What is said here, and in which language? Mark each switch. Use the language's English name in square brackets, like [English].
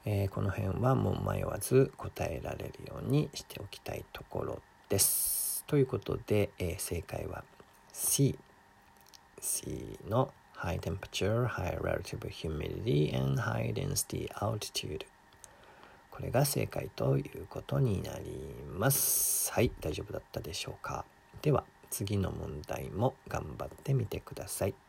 [Japanese] この辺はもう迷わず答えられるようにしておきたいところです。ということで、正解は C の [English] High temperature, high relative humidity, and high density altitude. [Japanese] これが正解ということになります。はい、大丈夫だったでしょうか。では、次の問題も頑張ってみてください。